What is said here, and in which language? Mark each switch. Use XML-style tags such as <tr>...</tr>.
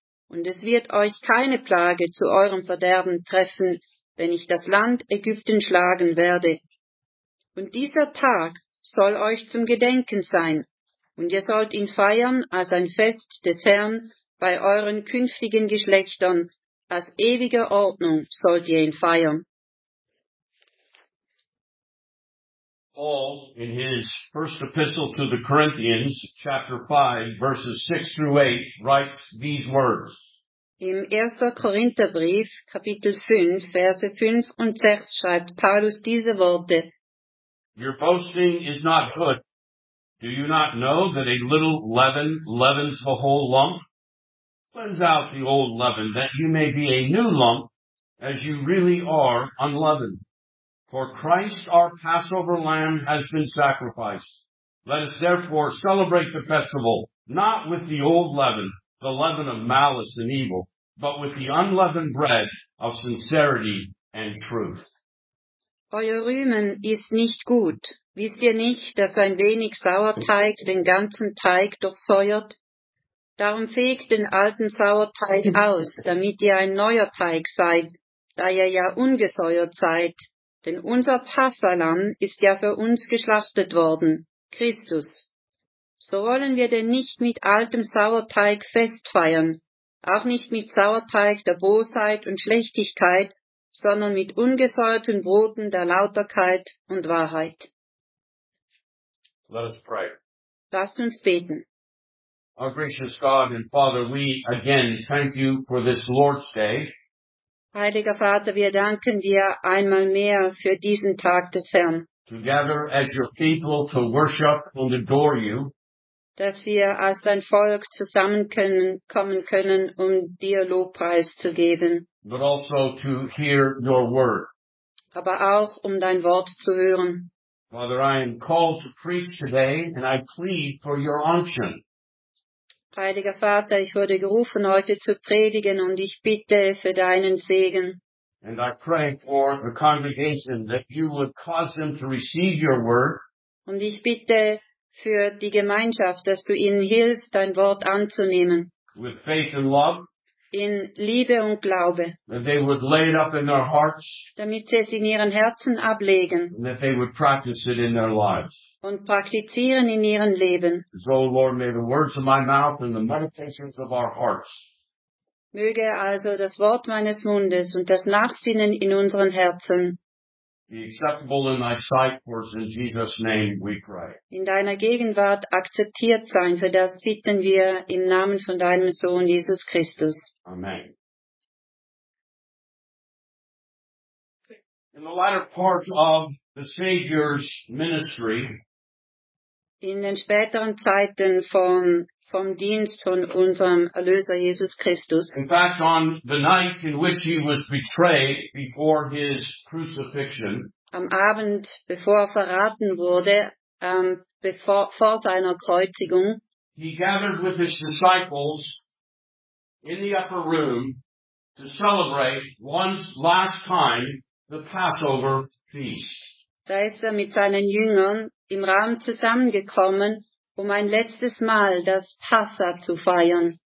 <de>Und es wird euch keine Plage zu eurem Verderben treffen, wenn ich das Land Ägypten schlagen werde. Und dieser Tag soll euch zum Gedenken sein. Und ihr sollt ihn feiern als ein Fest des Herrn bei euren künftigen Geschlechtern. Als ewige Ordnung sollt ihr ihn feiern.</de> <en>Paul, in his first epistle to the Corinthians, chapter 5, verses 6 through 8, writes these words.</en> <de>Im 1. Korintherbrief, Kapitel 5, Verse 5 und 6, schreibt Paulus diese Worte.</de> <en>Your boasting is not good. Do you not know that a little leaven leavens the whole lump? Cleanse out the old leaven, that you may be a new lump, as you really are unleavened. For Christ, our Passover lamb, has been sacrificed. Let us therefore celebrate the festival, not with the old leaven, the leaven of malice and evil, but with the unleavened bread of sincerity and truth.</en> <de>Euer Rühmen ist nicht gut. Wisst ihr nicht, dass ein wenig Sauerteig den ganzen Teig durchsäuert? Darum fegt den alten Sauerteig aus, damit ihr ein neuer Teig seid, da ihr ja ungesäuert seid. Denn unser Passalam ist ja für uns geschlachtet worden, Christus. So wollen wir denn nicht mit altem Sauerteig festfeiern, auch nicht mit Sauerteig der Bosheit und Schlechtigkeit, sondern mit ungesäuerten Broten der Lauterkeit und Wahrheit.</de> <en>Let us pray.</en> <de>Lasst uns beten.</de> <en>Our gracious God and Father, we again thank you for this Lord's Day.</en> <de>Heiliger Vater, wir danken dir einmal mehr für diesen Tag des Herrn.</de> <en>To gather as your people to worship and adore you.</en> <de>Dass wir als dein Volk zusammenkommen können, um dir Lobpreis zu geben.</de> <en>But also to hear your word.</en> <de>Aber auch, um dein Wort zu hören.</de> <en>Father, I am called to preach today and I plead for your unction.</en> <de>Heiliger Vater, ich wurde gerufen, heute zu predigen, und ich bitte für deinen Segen.</de> <en>And I pray for the congregation that you would cause them to receive your word.</en> <de>Und ich bitte für die Gemeinschaft, dass du ihnen hilfst, dein Wort anzunehmen.</de> <en>With faith and love.</en> <de>In Liebe und Glaube.</de> <en>That they would lay it up in their hearts.</en> <de>Damit sie es in ihren Herzen ablegen.</de> <en>And that they would practice it in their lives.</en> <de>Und praktizieren in ihren Leben.</de> <en>So, Lord, may the words of my mouth and the meditations of our hearts.</en> <de>Möge also das Wort meines Mundes und das Nachsinnen in unseren Herzen.</de> <en>Be acceptable in thy sight, for in Jesus' name we pray.</en> <de>In deiner Gegenwart akzeptiert sein, für das bitten wir im Namen von deinem Sohn Jesus Christus.</de> <en>Amen. In the latter part of the Savior's ministry,</en> <de>in den späteren Zeiten vom Dienst von unserem Erlöser Jesus Christus.</de> <en>In fact, on the night in which he was betrayed before his crucifixion,</en> <de>am Abend, bevor er verraten wurde, vor seiner Kreuzigung,</de> <en>he gathered with his disciples in the upper room to celebrate one last time the Passover feast.</en> <de>Da ist er mit seinen Jüngern im Raum zusammengekommen, um ein letztes Mal das Passa zu feiern.</de>